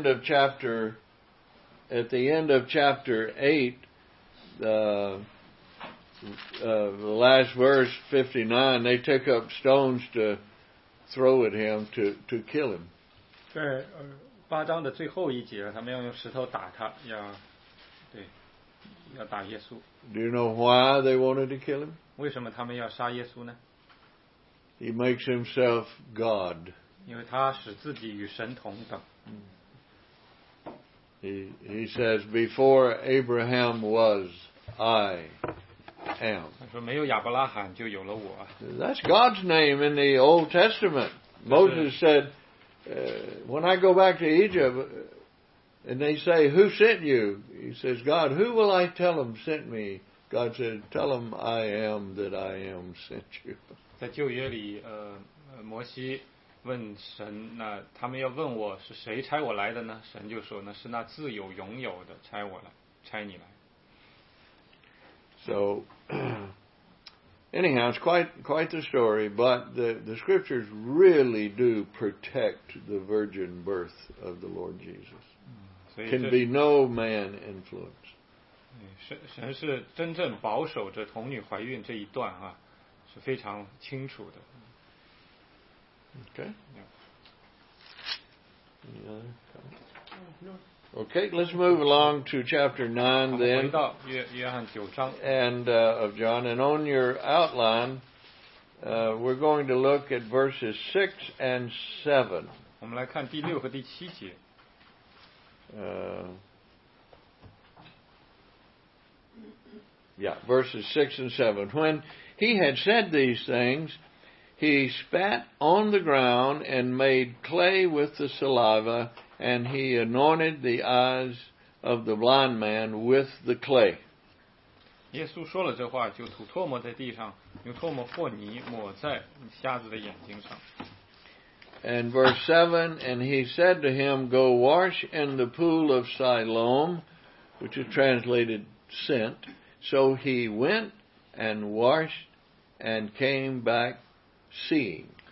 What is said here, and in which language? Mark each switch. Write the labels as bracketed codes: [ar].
[en] At the end of chapter 8, the last verse 59, they took up stones to throw at him to kill him. [zh] 在八章的最后一节，他们要用石头打他，要打耶稣。 [en] Do you know why they wanted to kill him? [zh] 为什么他们要杀耶稣呢？ [en] He makes himself God. [zh] 因为他使自己与神同等。 [en] He says, "Before Abraham was, I am." [zh] 他说没有亚伯拉罕就有了我。 [en] That's God's name in the Old Testament. Moses said, "When I go back to Egypt, and they say, 'Who sent you?' He says, 'God, who will I tell them sent me?'" God said, "Tell them I am that I am sent you." [zh] 在旧约里，摩西问神，那他们要问我是谁差我来的呢？神就说，那是那自有永有的差我来，差你来。 [en] So anyhow, it's quite the story, but the scriptures really do protect the virgin birth of the Lord Jesus. Can be no man influenced. [zh] 神是真正保守着童女怀孕这一段啊，是非常清楚的。 [en] Okay, let's move along to chapter 9 then. [zh] 回到约翰九章。 [en] And of John, and on your outline, we're going to look at verses 6 and 7. [zh] 我们来看第六和第七节。 [en] Verses 6 and 7. When he had said these things, he spat on the ground and made clay with the saliva, and he anointed the eyes of the blind man with the clay. [zh] 耶稣说了这话，就吐唾沫在地上，用唾沫和泥抹在瞎子的眼睛上。 [en] And verse 7, and he said to him, Go wash in the pool of Siloam, which is translated sent. So he went and washed and came back seeing.